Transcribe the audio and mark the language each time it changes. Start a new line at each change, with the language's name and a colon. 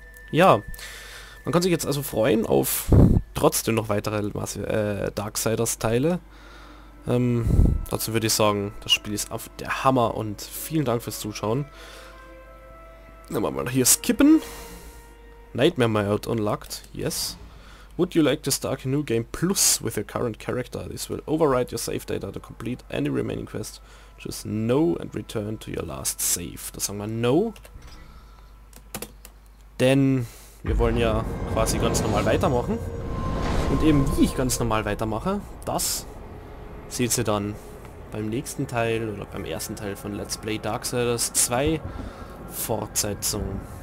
German: Ja, man kann sich jetzt also freuen auf trotzdem noch weitere Darksiders Teile. Dazu würde ich sagen, das Spiel ist auf der Hammer und vielen Dank fürs Zuschauen. Nehmen wir mal hier skippen.
English: Nightmare Mode unlocked, yes. Would you like to start a new game plus with your current character? This will override your save data to complete any remaining quest. Just no and return to your last save.
German: Da sagen wir no. Denn wir wollen ja quasi ganz normal weitermachen. Und eben wie ich ganz normal weitermache, das seht ihr dann beim nächsten Teil oder beim ersten Teil von Let's Play Darksiders 2 Fortsetzung.